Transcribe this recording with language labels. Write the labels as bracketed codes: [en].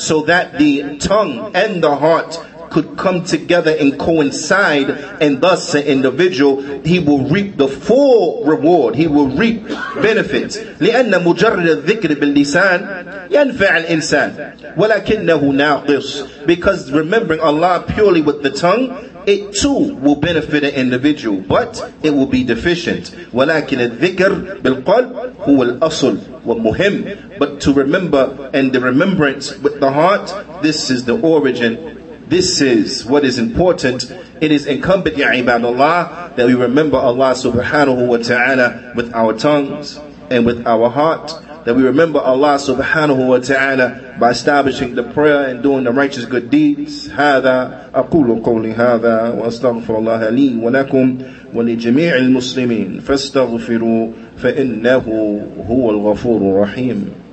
[en] So that the tongue and the heart could come together and coincide, and thus an individual, he will reap the full reward. He will reap benefits. [ar] لِأَنَّ مُجَرِّدَ الذِّكْرِ بِاللِّسَانِ يَنْفَعَ الْإِنسَانِ وَلَكِنَّهُ نَاقِصٌ. [en] Because remembering Allah purely with the tongue, it too will benefit an individual, but it will be deficient. [ar] ولكن الذكر بالقلب هو الأصل والمهم. [en] But to remember, and the remembrance with the heart, this is the origin. This is what is important. It is incumbent, ya ibadallah, that we remember Allah subhanahu wa ta'ala with our tongues and with our heart. That we remember Allah subhanahu wa ta'ala by establishing the prayer and doing the righteous good deeds. [ar] هذا أقول قولي هذا وأستغفر الله لي ولكم ولجميع المسلمين فاستغفروا فَإِنَّهُ هُوَ الْغَفُورُ الرَّحِيمُ.